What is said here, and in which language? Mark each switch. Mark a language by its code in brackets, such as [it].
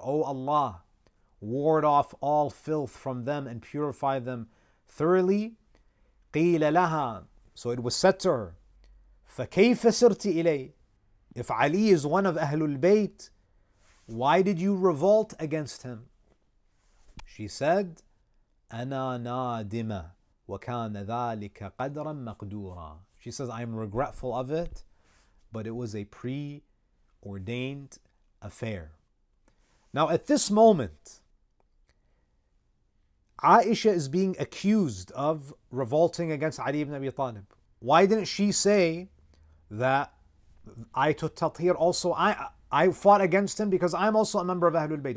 [en] O Allah, ward off all filth from them and purify them thoroughly. [ar] قِيلَ لَهَا. [en] So it was said to her, [ar] فَكَيْفَ سِرْتِ إِلَيْهِ. [en] If Ali is one of Ahlul Bayt, why did you revolt against him? She said, [ar] أَنَا نَادِمَ وَكَانَ ذَلِكَ قَدْرًا مَقْدُورًا. [en] She says, I'm regretful of it, but it was a preordained affair. Now at this moment, Aisha is being accused of revolting against Ali ibn Abi Talib. Why didn't she say that Ayatul Tathir also, I fought against him because I'm also a member of Ahlul Bayt.